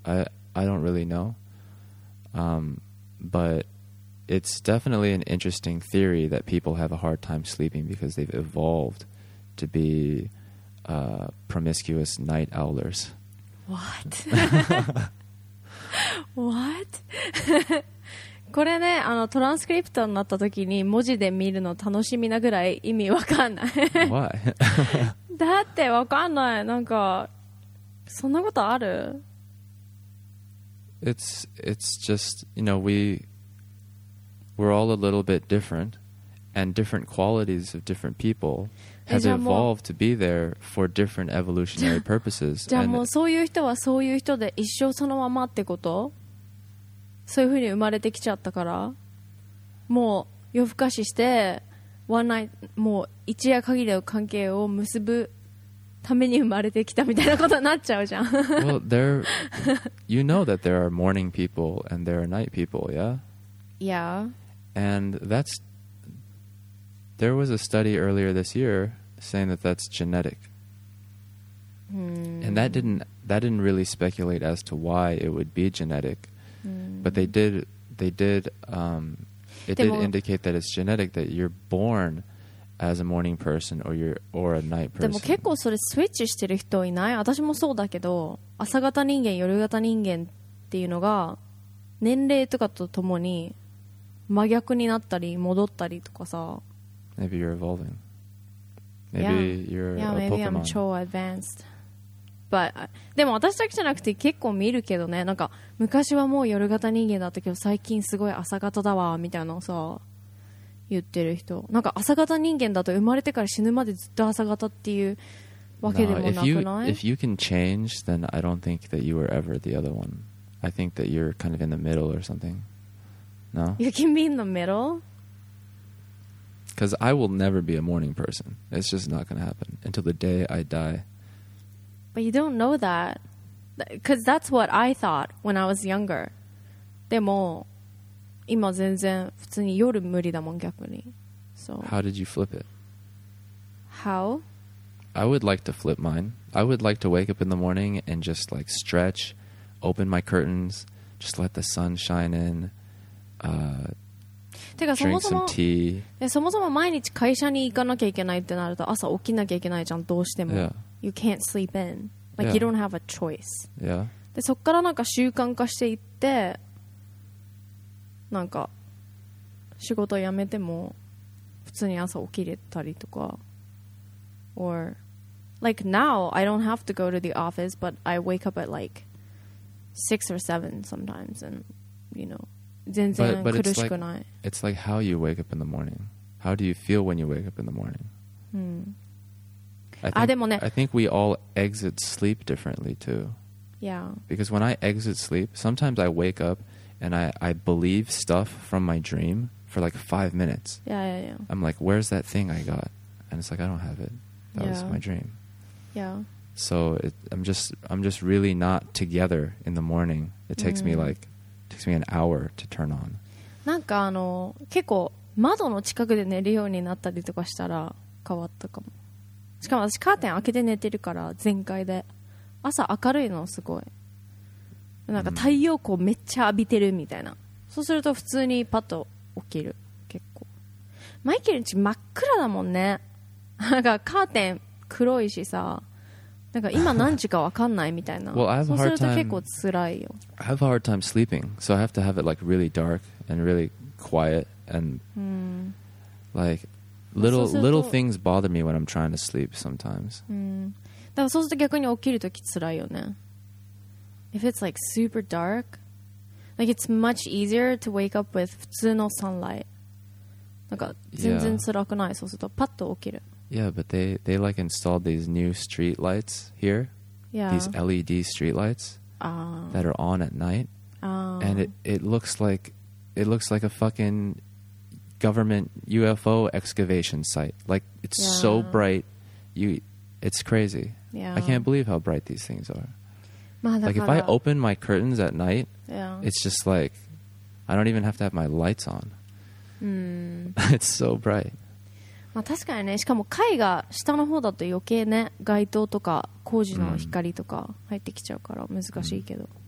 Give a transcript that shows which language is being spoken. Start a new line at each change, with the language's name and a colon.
English: I don't really know, but it's definitely an interesting theory that people have a hard time sleeping because they've evolved to be promiscuous night owlers. What? What?
Japanese: これね、あのトランスクリプトになった時に文字で見るの楽しみなぐらい意味わかんない。
English: Why?
Japanese: だってわかんない。なんか。そんなことある?
English: It's just, you know, we're all a little bit different, and different qualities of different people has evolved to be there for different evolutionary purposes.
Japanese: じゃあもうそういう人はそういう人で一生そのままってこと? そういうふうに生まれてきちゃったから?もう夜更かしして、
English: one night、
Japanese: もう一夜限りの関係を結ぶ。ために生まれてきたみたいなことになっちゃうじゃん。
English: Well, there, you know that there are morning people and there are night people, yeah? Yeah. And that's, there was a study earlier this year saying that that's genetic. Hmm. And that didn't really speculate as to why it would be genetic. Hmm. But they did indicate that it's genetic, that you're born as a morning person or a night person.
Japanese: でも結構それスイッチしてる人いない?私もそうだけど、朝型人間、夜型人間っていうのが年齢とかとともに真逆になったり戻ったりとかさ。
English: Maybe you're evolving. Maybe you're a Pokemon. Yeah, maybe I'm so advanced.
Japanese: But, でも私だけじゃなくて結構見るけどね。なんか昔はもう夜型人間だったけど最近すごい朝型だわみたいなさ。言ってる人なんか朝型人間だと生まれてから死ぬまでずっと朝型っていうわけでもなくない?
English: No, if you can change, then I don't think that you were ever the other one. I think that you're kind of in the middle or something. No? You can be in the middle? Because I will never be a morning person. It's just not going to happen until the day I die. But you don't know that. Because that's what I thought when I was younger.
Japanese: でも今全然普通に夜無理だもん逆に。
English: So. How did you flip it? How? I would like to flip mine. I would like to wake up in the morning and just like stretch, open my curtains, just let the sun shine in, drink some tea.
Japanese: そもそも毎日会社に行かなきゃいけないってなると朝起きなきゃいけないじゃんどうしても。
English: Yeah. You can't sleep in. Like yeah. You don't have a choice. Yeah.
Japanese: でそっからなんか習慣化していってなんか仕事辞めても普通に朝起きれたりとか
English: or like now I don't have to go to the office but I wake up at like 6 or 7 sometimes and you know
Japanese: 全然苦しくない
English: it's like how you wake up in the morning how do you feel when you wake up in the morning、
Japanese: うん、あでもね
English: I think we all exit sleep differently too yeah because when I exit sleep sometimes I wake upAnd I believe stuff from my dream for like 5 minutes. Yeah, yeah, yeah. I'm like, where's that thing I got? And it's like, I don't have it. That yeah. was my dream. Yeah. So it, I'm just really not together in the morning. It takes、mm. me like, it takes me an hour to turn on.
Japanese: なんかあの結構窓の近くで寝るようになったりとかしたら変わったかも。しかも私カーテン開けて寝てるから全開で朝明るいのすごい。なんか太陽光めっちゃ浴びてるみたいな、うん、そうすると普通にパッと起きる結構マイケルの家真っ暗だもんねなんかカーテン黒いしさなんか今何時か分かんないみたいな
English: well, I have
Japanese: そうすると
English: hard time,
Japanese: 結構つらいよ
English: I have a hard time sleeping so I have to have it like really dark and really quiet and、
Japanese: うん、
English: like little things bother me when I'm trying to sleep sometimes、
Japanese: うん、だからそうすると逆に起きるときつらいよね
English: If it's like super dark, like it's much easier to wake up with
Japanese: 普通の
English: sunlight.
Japanese: なんか全然辛くない。そうするとパッと起きる。
English: Yeah, but they like installed these new street lights here. Yeah. These LED street lights、that are on at night. And it looks like a fucking government UFO excavation site. Like it's、yeah. so bright. It's crazy. Yeah. I can't believe how bright these things are.
Japanese: まあ、
English: like if I open my curtains at night、 yeah. It's just like I don't even have to have my lights on、 mm. It's so bright
Japanese: まあ確かにねしかも階が下の方だと余計ね街灯とか工事の光とか入ってきちゃうから難しいけど、mm.